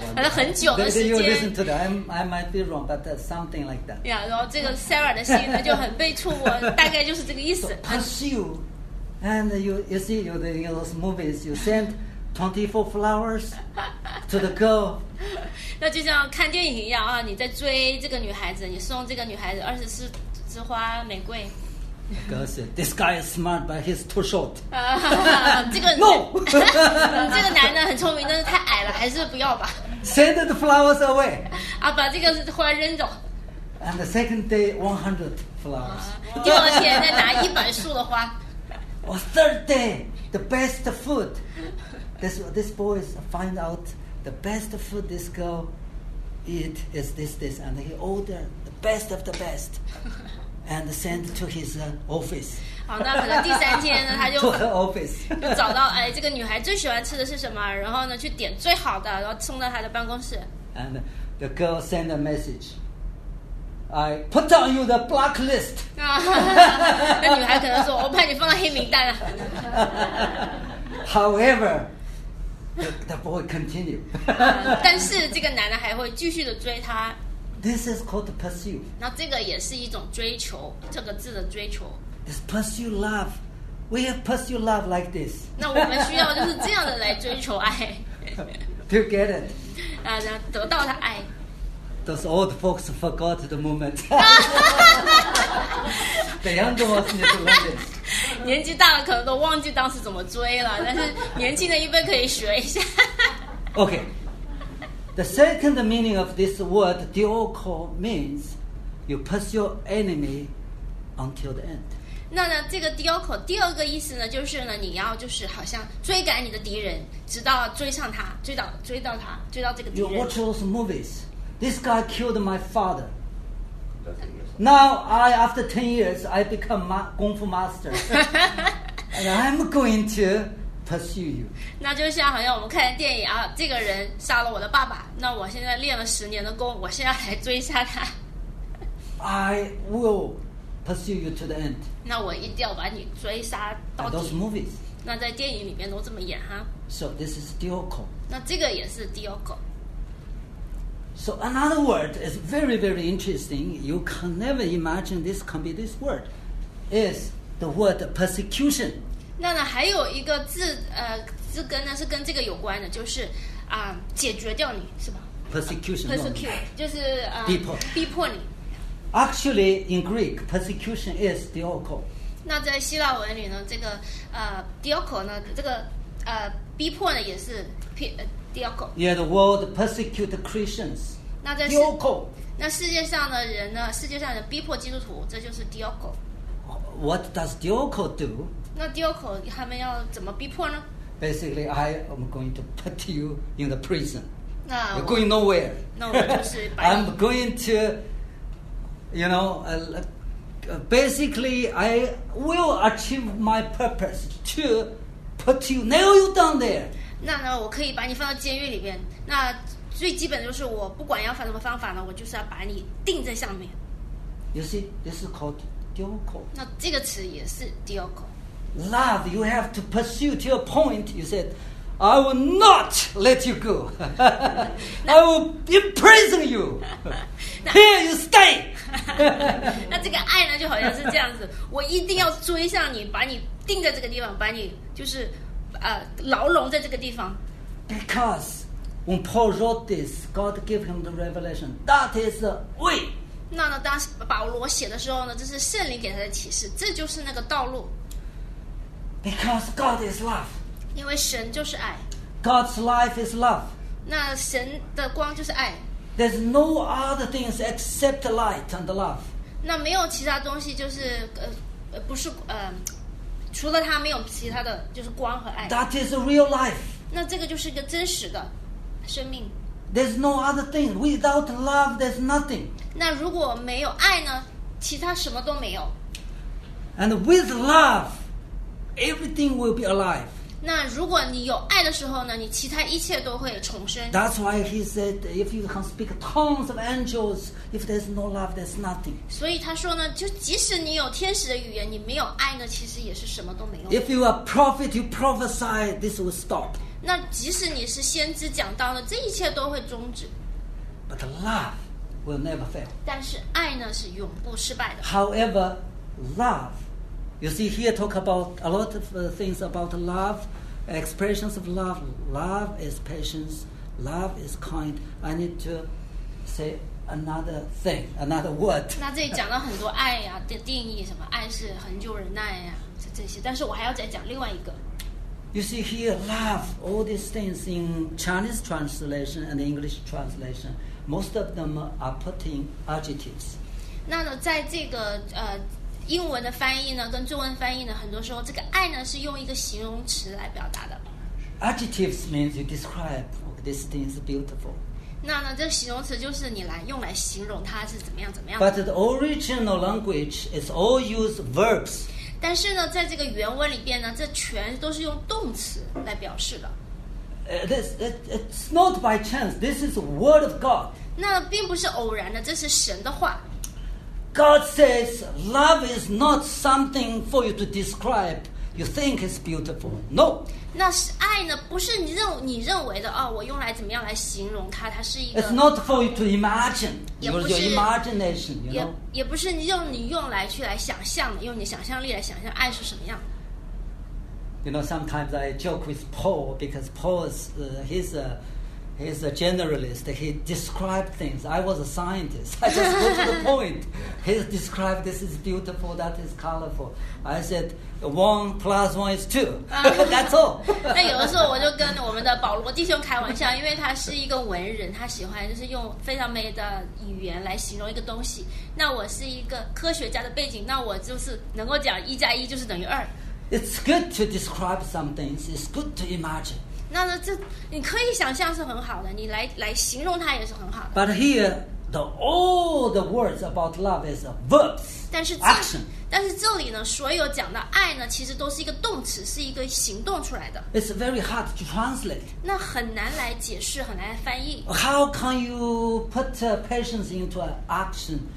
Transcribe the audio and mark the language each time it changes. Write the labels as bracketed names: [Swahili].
[Chinese] 很久的时间 [English] you listen to that. I might be wrong, but that's something like that. [Chinese] Yeah, 然后这个 Sarah 的心就很被触摸，大概就是这个意思。 [English] So pursue, and you see you in those movies, you send 24 flowers to the girl. [Chinese] 那就像看电影一样啊，你在追这个女孩子，你送这个女孩子24枝花玫瑰。 [English] Girl said, "This guy is smart, but he's too short." No. [Chinese] 这个男的很聪明，但是太矮了，还是不要吧。 [English] Send the flowers away. [Chinese] 啊，把这个花扔走。 [English] And the second day, 100 flowers. [Chinese] 第二天再拿100束的花。 [English] Or third day, the best food. This boy is find out the best food this girl eat is this, and he order the best of the best. And send to his office. [Chinese] 好，那可能第三天呢，他就 [English] to her office. [Chinese] 就找到哎，这个女孩最喜欢吃的是什么？然后呢，去点最好的，然后送到她的办公室。 [English] And the girl send a message. I put on you the blacklist. [Chinese] 那女孩可能说，我把你放到黑名单了。 [English] However, the boy continue. [Chinese] 但是这个男的还会继续的追她。 [English] This is called pursue. [Chinese] 那这个也是一种追求，这个字的追求。 [English] It's pursue love. We have pursue love like this. [Chinese] 那我们需要就是这样的来追求爱。 [English] To get it. [Chinese] 得到他爱。 [English] Those old folks forgot the moment. The younger ones need to learn this. [Chinese] 年纪大了可能都忘记当时怎么追了，但是年轻的一辈可以学一下。 [English] Okay. The second meaning of this word, dioko, means you pursue your enemy until the end. [Chinese] 那呢，这个 dioko 第二个意思呢，就是呢，你要就是好像追赶你的敌人，直到追上他，追到他，追到这个敌人。 [English] You watch those movies. This guy killed my father. Now I, after 10 years, I become kung fu master, and I'm going to. Pursue you. [Chinese] 那就像好像我们看电影啊，这个人杀了我的爸爸，那我现在练了10年的功，我现在来追杀他。 [English] I will pursue you to the end. [Chinese] 那我一定要把你追杀到底。 [English] Those movies. [Chinese] 那在电影里面都这么演哈。 [English] So this is dioko. [Chinese] 那这个也是 dioko. [English] So another word is very very interesting. You can never imagine this can be this word. Is the word persecution. [Chinese] 那呢还有一个字字根呢是跟这个有关的，就是解决掉你是吧 [English] persecution [Chinese] 就是逼迫你。 [English] Actually in Greek persecution is dioko. [Chinese] 那在希腊文里呢，这个dioko 呢，这个逼迫呢也是 dioko. [English] Yeah, the world persecute Christians. [Chinese] 那在 [Greek] dioko. [Chinese] 那世界上的人呢，世界上的人逼迫基督徒，这就是 dioko. [English] What does dioko do? [Chinese] 那 dioko 他们要怎么逼迫呢？ [English] basically I am going to put you in the prison. [Chinese] 那 [English] You're going nowhere. [Chinese] 那我就是 [English] I'm going to, you know, basically I will achieve my purpose to put you, nail you down there. [Chinese] 那呢，我可以把你放到监狱里边。那最基本的就是我不管要犯什么方法呢，我就是要把你钉在上面。 [English] You see, this is called dioko. [Chinese] 那这个词也是 dioko. [English] Love, you have to pursue to a point. You said, I will not let you go. I will imprison you. Here you stay. [Chinese] 那这个爱呢，就好像是这样子，我一定要追上你，把你钉在这个地方，把你就是牢笼在这个地方。 [English] Because when Paul wrote this, God gave him the revelation. That is the way. [Chinese] 那呢，当时保罗写的时候呢，这是圣灵给他的启示，这就是那个道路。 [English] Because God is love. [Chinese] 因为神就是爱。 [English] God's life is love. [Chinese] 那神的光就是爱。 [English] There's no other things except light and love. [Chinese] 那没有其他东西，就是不是除了他没有其他的，就是光和爱。 [English] That is real life. [Chinese] 那这个就是一个真实的生命。 [English] There's no other thing. Without love, there's nothing. [Chinese] 那如果没有爱呢？其他什么都没有。 [English] And with love, everything will be alive. [Chinese] 那如果你有爱的时候呢？你其他一切都会重生。 [English] That's why he said, if you can speak tongues of angels, if there's no love, there's nothing. [Chinese] 所以他说呢，就即使你有天使的语言，你没有爱呢，其实也是什么都没有。 [English] If you are a prophet, you prophesy, this will stop. [Chinese] 那即使你是先知讲道的，这一切都会终止。 [English] But love will never fail. [Chinese] 但是爱呢是永不失败的。 [English] However, love, you see here talk about a lot of things about love, expressions of love. Love is patience. Love is kind. I need to say another thing, another word. [Chinese] 那这里讲了很多爱呀、啊、的定义，什么爱是恒久忍耐呀、啊，这些。但是我还要再讲另外一个。 [English] You see here, love, all these things in Chinese translation and English translation, most of them are putting adjectives. [Chinese] 那呢，在这个英文的翻译呢，跟中文翻译呢，很多时候这个爱呢是用一个形容词来表达的。 [English] Adjectives means you describe this thing is beautiful. [Chinese] 那呢，这形容词就是你来用来形容它是怎么样怎么样。 [English] But the original language is all use verbs. [Chinese] 但是呢，在这个原文里边呢，这全都是用动词来表示的。 [English] It's not by chance. This is the word of God. [Chinese] 那并不是偶然的，这是神的话。 [English] God says, "Love is not something for you to describe. You think it's beautiful. No." [Chinese] 那是爱呢，不是你认为的哦，我用来怎么样来形容它？它是一个。 [English] It's not for you to imagine. Your imagination, you know? [Chinese] 也不是用来想象，用你想象力来想象爱是什么样。 [English] You know, sometimes I joke with Paul because Paul's he's a generalist. He described things. I was a scientist. I just go to the point. He described this is beautiful, that is colorful. I said one plus one is two. That's all. [Chinese] 那有的时候我就跟我们的保罗弟兄开玩笑，因为他是一个文人，他喜欢就是用非常美的语言来形容一个东西。那我是一个科学家的背景，那我就是能够讲一加一就是等于二。 [English] It's good to describe some things. It's good to imagine. [Chinese] 那这你可以想象是很好的，你来形容它也是很好的。 [English] But here, all the words about love is verbs, action. [Chinese] 但是这里呢，所有讲的爱呢，其实都是一个动词，是一个行动出来的。 [English] It's very hard to translate. [Chinese] 那很难来解释，很难翻译。 [English] How can you put patience into an action?